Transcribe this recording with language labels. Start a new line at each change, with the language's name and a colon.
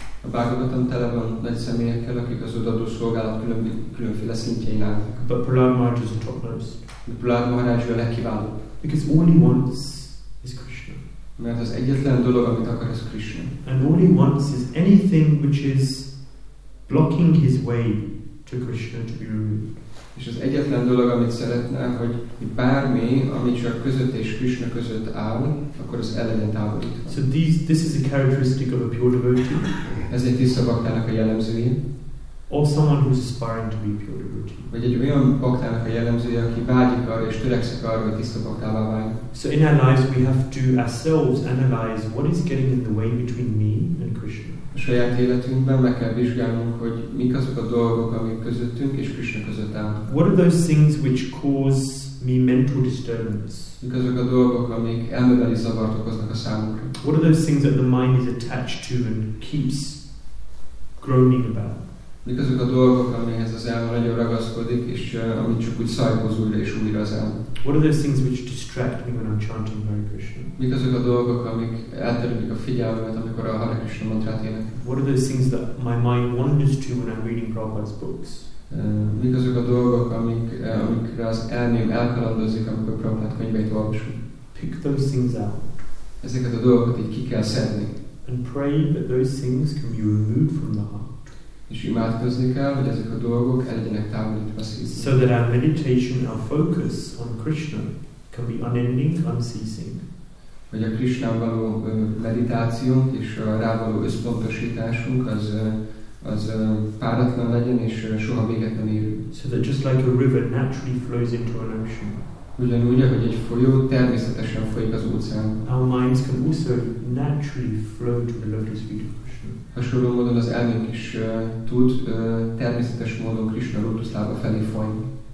Hungarian: A Bhagavatam tele van nagy személyekkel, akik az odaadó szolgálat különféle szintjén állnak.
English: But Prahlad Maharaj is a topmost.
Hungarian: De Prahlad Maharaj a legkiválóbb.
English: Because all he wants is Krishna.
Hungarian: Mert az egyetlen dolog, amit akar, az Krishna.
English: And all he wants is anything which is blocking his way to Krishna to be removed.
Hungarian: És az egyetlen dolog, amit szeretne, hogy bármi, ami csak között és Krishna között áll, akkor az el legyen távolítva.
English: So this is a characteristic of a pure devotee.
Hungarian: Ez egy tiszta baktának a jellemzője.
English: Or someone who's aspiring to be pure devotee.
Hungarian: Vagy egy olyan baktának a jellemzője, aki vágyik arra és törekszik arra, hogy tiszta baktává váljon.
English: So in our lives we have to ourselves analyze what is getting in the way between me and Krishna.
Hungarian: A saját életünkben meg kell vizsgálnunk, hogy mik azok a dolgok, amik közöttünk és Krishna között.
English: What are those things which cause me mental disturbance?
Hungarian: Mik azok a dolgok, amik elmebeli zavart okoznak a számunkra?
English: What are those things that the mind is attached to and keeps groaning about?
Hungarian: Mik azok a dolgok, amihez az elme nagyon ragaszkodik, és amit csak úgy szajkoz újra és újra az elme?
English: What are those things which distract me when I'm chanting Hare Krishna?
Hungarian: Mik azok a dolgok, amik elterülik a figyelmet, amikor a Hare Krishna mantrát ének?
English: What are those things that my mind wanders to when I'm reading Prabhupada's books?
Hungarian: Mik azok a dolgok, amikre az elmém elkalandozik, amikor Prabhupada könyveit olvasom?
English: Pick those things out.
Hungarian: Ezeket a dolgokat így ki kell szedni.
English: And pray that those things can be removed from the heart.
Hungarian: És imádkozni kell, hogy ezek a dolgok el legyenek távolítva szívünk.
English: So that our meditation, our focus on Krishna can be unending, unceasing.
Hungarian: Hogy a Krishna való meditációnk és rá való összpontosításunk az páratlan legyen és soha véget nem ér.
English: So that just like a river naturally flows into an ocean.
Hungarian: Ugyanúgy, ahogy egy folyó természetesen folyik az óceán.
English: Our minds can also naturally flow to the lotus feet of Krishna.
Hungarian: Hasonló módon az elménk is tud természetes módon Krishna lótusz lába felé folyni.